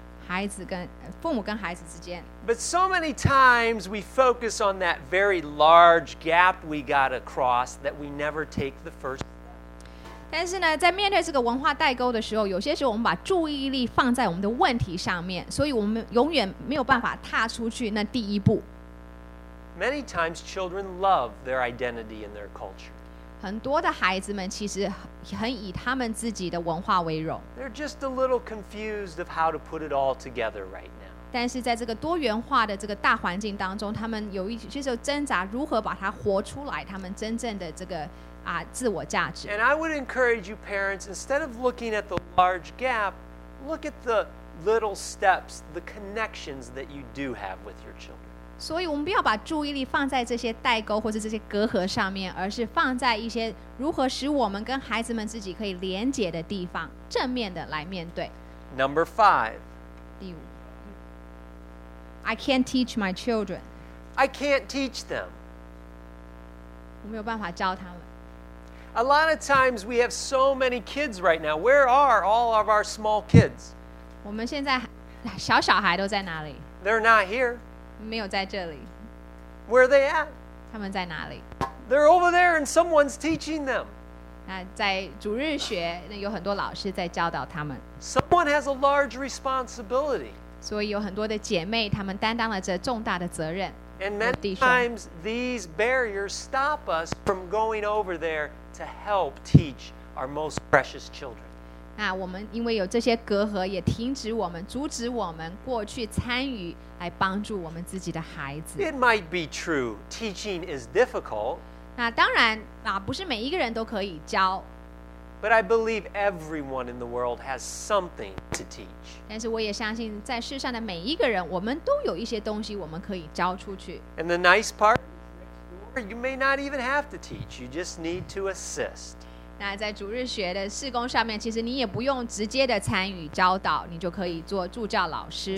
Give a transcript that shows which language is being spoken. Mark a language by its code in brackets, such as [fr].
[zh] 孩子跟父母跟孩子之间。 [en] But so many times we focus on that very large gap we got across that we never take the first step. [zh] 但是呢，在面对这个文化代沟的时候，有些时候我们把注意力放在我们的问题上面，所以我们永远没有办法踏出去那第一步。 [en] Many times children love their identity and their culture. [zh] 很多的孩子们其实很以他们自己的文化为荣。 [en] They're just a little confused of how to put it all together right now. [zh] 但是在这个多元化的这个大环境当中，他们有一些时候挣扎如何把它活出来，他们真正的这个自我价值。 [en] And I would encourage you parents, instead of looking at the large gap, look at the little steps, the connections that you do have with your children. [zh] 所以我们不要把注意力放在这些代沟或者这些隔阂上面，而是放在一些如何使我们跟孩子们自己可以连接的地方，正面的来面对。 [en] Number five. [zh] 第五。 [en] I can't teach my children. I can't teach them. [zh] 我没有办法教他们。 [en] A lot of times we have so many kids right now. Where are all of our small kids? [zh] 我们现在小小孩都在哪里？ [en] They're not here. [zh] 没有在这里。 [en] Where are they at? [zh] 他们在哪里？ [en] They're over there and someone's teaching them. [zh] 那在主日学，那有很多老师在教导他们。 [en] Someone has a large responsibility. [zh] 所以有很多的姐妹，她们担当了这重大的责任。 [en] And many times these barriers stop us from going over there to help teach our most precious children. [zh] 那我们因为有这些隔阂，也停止我们，阻止我们过去参与来帮助我们自己的孩子。 [en] It might be true, teaching is difficult. [zh] 那当然，不是每一个人都可以教。 [en] But I believe everyone in the world has something to teach. [zh] 但是我也相信，在世上的每一个人，我们都有一些东西我们可以教出去。 [en] And the nice part, you may not even have to teach. You just need to assist. [zh] 那在主日学的事工上面，其实你也不用直接的参与教导，你就可以做助教老师。